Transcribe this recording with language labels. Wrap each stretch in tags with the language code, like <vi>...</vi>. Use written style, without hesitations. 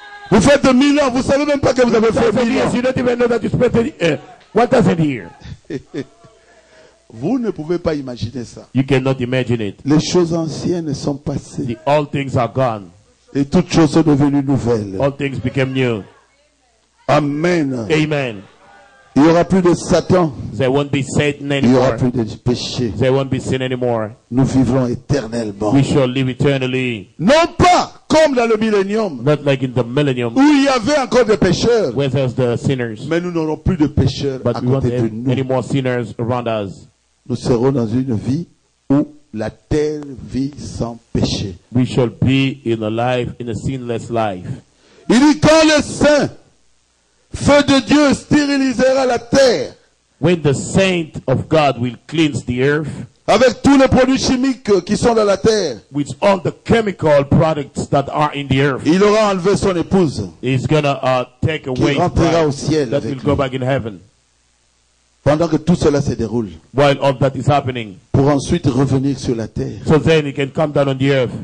<fr>Vous faites 1000 ans, vous savez même pas que vous avez fait 1000 ans.</fr> <en>You don't even know that you spent 1000 years.</en> <fr>Vous ne pouvez pas imaginer ça.</fr> <en>You cannot imagine it.</en> <fr>Les choses anciennes sont passées.</fr> <en>The old things are gone.</en> <fr>Et toutes choses sont devenues nouvelles.</fr> <en>All things became new. Amen. Amen.</en> <fr>Il n'y aura plus de Satan.</fr> <en>There won't be Satan anymore.</en> <fr>Il n'y aura plus de péché.</fr> <en>There won't be sin anymore.</en> <fr>Nous vivrons éternellement.</fr> <en>We shall live eternally.</en> <fr>Non pas comme dans le millénium.</fr> <en>Not like in the millennium.</en> <fr>Où il y avait encore des pécheurs.</fr> <en>Where there's the sinners.</en> <fr>Mais nous n'aurons plus de pécheurs</fr> <en>but</en> <fr>à côté de nous.</fr> <en>Any more sinners around us.</en> <fr>Nous serons dans une vie où la terre vit sans péché.</fr> <en>We shall be in a life, in a sinless life.</en> <fr>Il dit quand le saint feu de Dieu stérilisera la terre.</fr> <en>When the saint of God will cleanse the earth.</en> <fr>Avec tous les produits chimiques qui sont dans la terre.</fr> <en>With all the chemical products that are in the earth.</en> <fr>Il aura enlevé son épouse.</fr> <en>He's gonna take away.</en> <fr>Qui rentrera au ciel.</fr> <en>That will go back in heaven.</en> <fr>Pendant que tout cela se déroule.</fr> <en>While all that is happening.</en> <fr>Pour ensuite revenir sur la terre.</fr> <en>So then he can come down on the earth.</en>